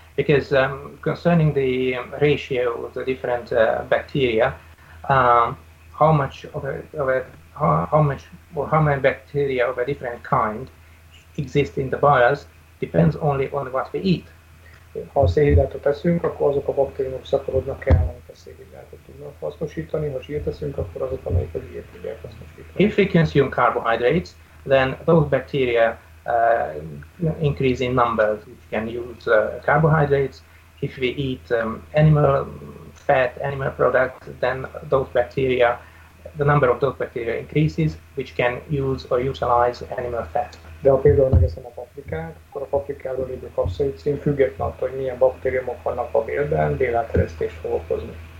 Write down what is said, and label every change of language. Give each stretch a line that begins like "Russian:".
English: Because concerning the ratio of the different bacteria, how many bacteria of a different kind exist in the bowels depends only on what we eat.
Hungarian: Ha a szénhidrátot teszünk, akkor azok a baktériumok szaporodnak el, amelyek a szénhidrátot tudnak hasznosítani. Ha zsírt teszünk, akkor azok, amelyek a zsírt tudják hasznosítani.
English: If we consume carbohydrates, then those bacteria increase in numbers. Can use carbohydrates. If we eat animal fat, animal products, then those bacteria, the number of those bacteria increases, which can use or utilize animal fat.
Hungarian: De ha például megeszem a paprikát, akkor a paprikáról lévő kapszaicin függetlenül attól, hogy milyen baktériumok vannak a bélben, bélátteresztést fog okozni.